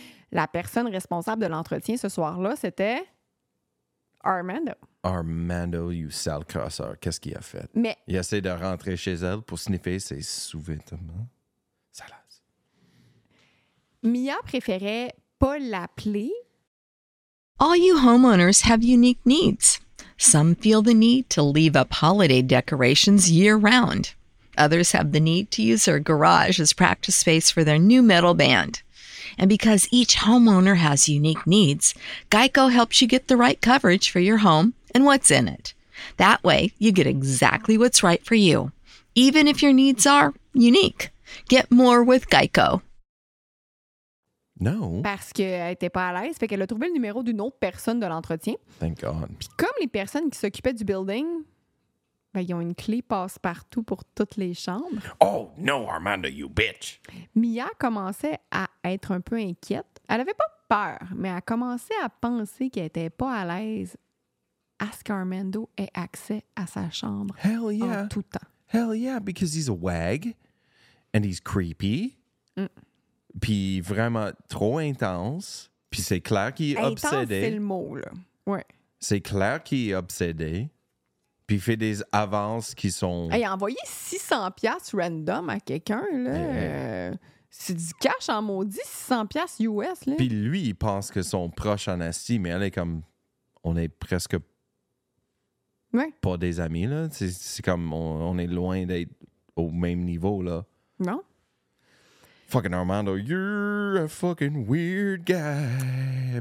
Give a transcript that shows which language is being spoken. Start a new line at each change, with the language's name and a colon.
French: La personne responsable de l'entretien ce soir-là, c'était Armando. Armando, you sale crosseur. Qu'est-ce qu'il a fait? Mais... Il essaie de rentrer chez elle pour sniffer ses sous-vêtements. Salace. Mia préférait pas l'appeler.
English: All you homeowners have unique needs. Some feel the need to leave up holiday decorations year-round. Others have the need to use their garage as practice space for their new metal band. And because each homeowner has unique needs, GEICO helps you get the right coverage for your home and what's in it. That way, you get exactly what's right for you, even if your needs are unique. Get more with Geico. No.
French: Parce qu'elle n'était pas à l'aise, fait qu'elle a trouvé le numéro d'une autre personne de l'entretien.
English: Thank God.
French: Puis comme les personnes qui s'occupaient du building, ben, ils ont une clé passe-partout pour toutes les chambres.
English: Oh no, Armando, you bitch!
French: Mia commençait à être un peu inquiète. Elle avait pas peur, mais elle commençait à penser qu'elle était pas à l'aise à ce qu'Armando ait accès à sa chambre
English: Hell yeah.
French: en tout temps.
English: Hell yeah, because he's a wag and he's creepy. Mm.
French: Puis vraiment trop intense. Puis c'est clair qu'il est obsédé. Intense, c'est le mot, là. Ouais. C'est clair qu'il est obsédé. Puis il fait des avances qui sont... Hey, envoyer 600$ random à quelqu'un, là, c'est du cash en maudit, 600$ US, là. Puis lui, il pense que son proche en estime, mais elle est comme... On est presque ouais. pas des amis, là. C'est comme on est loin d'être au même niveau, là. Non.
English: Fucking Armando, you're a fucking weird guy.